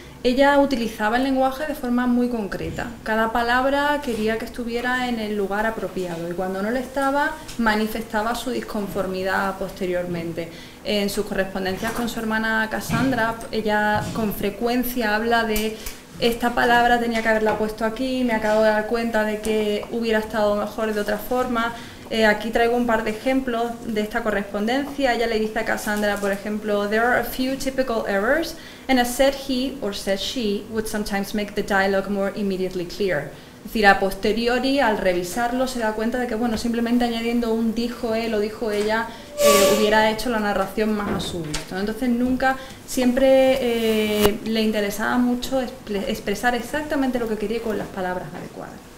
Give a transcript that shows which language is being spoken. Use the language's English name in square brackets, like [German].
[Spanish] Ella utilizaba el lenguaje de forma muy concreta. Cada palabra quería que estuviera en el lugar apropiado y cuando no lo estaba, manifestaba su disconformidad posteriormente. En sus correspondencias con su hermana Cassandra, ella con frecuencia habla de esta palabra tenía que haberla puesto aquí, me acabo de dar cuenta de que hubiera estado mejor de otra forma. Aquí traigo un par de ejemplos de esta correspondencia. Ella le dice a Cassandra, por ejemplo, [English] "There are a few typical errors, and a said he or said she would sometimes make the dialogue more immediately clear." [Spanish] Es decir, a posteriori, al revisarlo, se da cuenta de que, bueno, simplemente añadiendo un dijo él o dijo ella, hubiera hecho la narración más a su gusto. Entonces, nunca, siempre le interesaba mucho expresar exactamente lo que quería con las palabras adecuadas.